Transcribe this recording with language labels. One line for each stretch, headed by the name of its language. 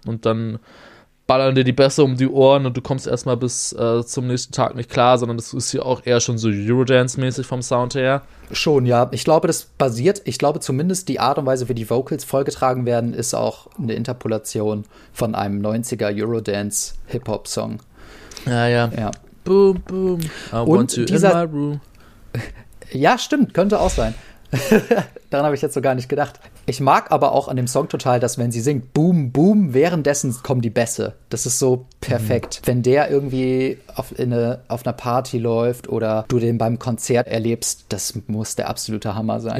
German: Und dann ballern dir die Bässe um die Ohren und du kommst erstmal bis zum nächsten Tag nicht klar, sondern das ist hier auch eher schon so Eurodance-mäßig vom Sound her. Schon, ja. Ich glaube zumindest die Art und Weise, wie die Vocals vollgetragen werden, ist auch eine Interpolation von einem 90er Eurodance-Hip-Hop-Song. Ja.
English: Boom, boom. I want you in my room.
German: Ja, stimmt, könnte auch sein. Daran habe ich jetzt so gar nicht gedacht. Ich mag aber auch an dem Song total, dass wenn sie singt, boom, boom, währenddessen kommen die Bässe. Das ist so perfekt. Mhm. Wenn der irgendwie auf einer Party läuft oder du den beim Konzert erlebst, das muss der absolute Hammer sein.